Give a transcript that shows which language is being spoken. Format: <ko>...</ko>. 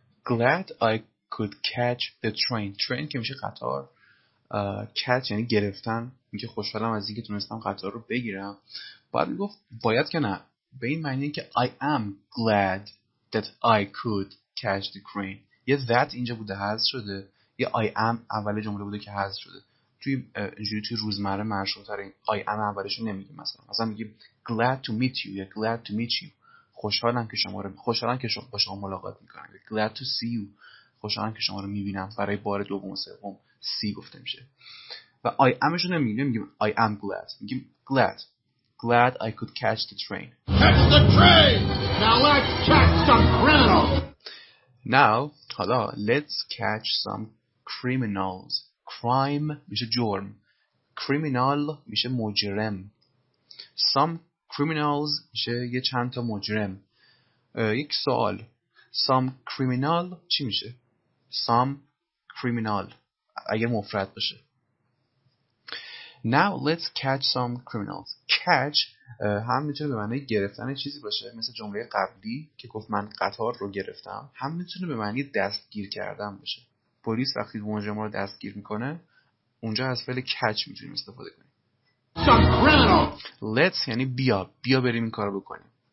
<en>Glad I could catch the train.</en> <fa>Train که میشه قطار. Catch یعنی گرفتن. اینکه خوشحالم از اینکه تونستم قطار رو بگیرم. باید میگفت باید که نه. به این معنی که</fa> <en>I am glad that I could catch the train.</en> <fa>یه that اینجا بوده حذف شده. یه I am اول جمله بوده که حذف شده. توی اینجوری توی روزمره مشهورتر این I am اولش رو نمیگیم مثلا. مثلا میگیم</fa> <en>glad to meet you یا glad to meet you.</en> <fa>خوشحالم که با شما ملاقات میکنم.</fa> <en>glad to see you.</en> <fa>خوشحالم که شما رو میبینم. برای بار دوم و سوم see گفته میشه.</fa> <en>و I amش</en> <fa>رو نمیگیم</fa> <en>I am glad.</en> <fa>میگیم glad.</fa> <en>Glad I could catch the train. Catch the train! Now let's catch some criminals! Now, حالا, let's catch some criminals.</en> <fa>Crime میشه جرم. Criminal میشه مجرم.</fa> <en>Some criminals</en> <fa>میشه یه چند تا مجرم. یک سوال.</fa> <en>Some criminal</en> <fa>چی میشه؟</fa> <en>Some criminal.</en> <fa>اگر مفرد باشه.</fa> <en>Now let's catch some criminals.</en> <fa>Catch هم میتونه به معنی گرفتن چیزی باشه، مثل جمله قبلی که گفت من قطار رو گرفتم. هم میتونه به معنی دستگیر کردن باشه. پلیس وقتی مجرم رو دستگیر میکنه اونجا از فعل catch میتونیم استفاده کنیم. Let's یعنی بیا بریم این کارو بکنیم.</fa>